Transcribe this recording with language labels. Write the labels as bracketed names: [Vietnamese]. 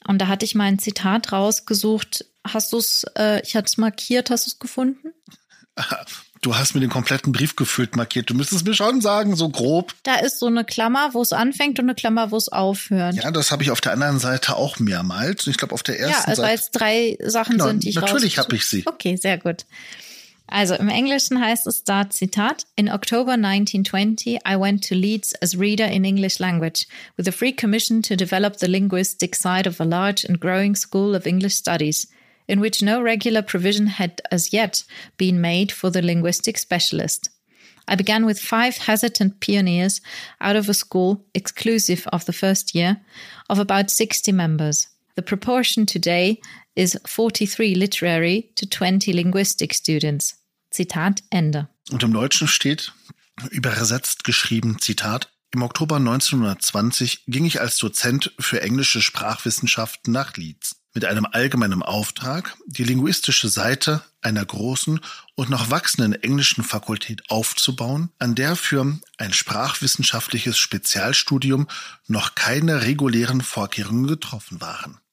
[German] Und da hatte ich mal ein Zitat rausgesucht. Hast du es, ich hatte es markiert, hast du es gefunden? Du hast mir den kompletten Brief gefühlt markiert. Du müsstest mir schon sagen, so grob. Da ist so eine Klammer, wo es anfängt und eine Klammer, wo es aufhört. Ja, das habe ich auf der anderen Seite auch mehrmals. Und ich glaube, auf der ersten Seite. Ja, also weil es drei Sachen sind, die ich raus. Natürlich habe ich sie. Okay, sehr gut. Also im Englischen heißt es da, Zitat, [English] in October 1920, I went to Leeds as reader in English language with a free commission to develop the linguistic side of a large and growing school of English studies, in which no regular provision had as yet been made for the linguistic specialist. I began with five hesitant pioneers out of a school, exclusive of the first year, of about 60 members. The proportion today is 43 literary to 20 linguistic students. [German] Zitat Ende. Und im Deutschen steht, übersetzt geschrieben, Zitat, im Oktober 1920 ging ich als Dozent für englische Sprachwissenschaften nach Leeds mit einem allgemeinen Auftrag, die linguistische Seite einer großen und noch wachsenden englischen Fakultät aufzubauen, an der für ein sprachwissenschaftliches Spezialstudium noch keine regulären Vorkehrungen getroffen waren.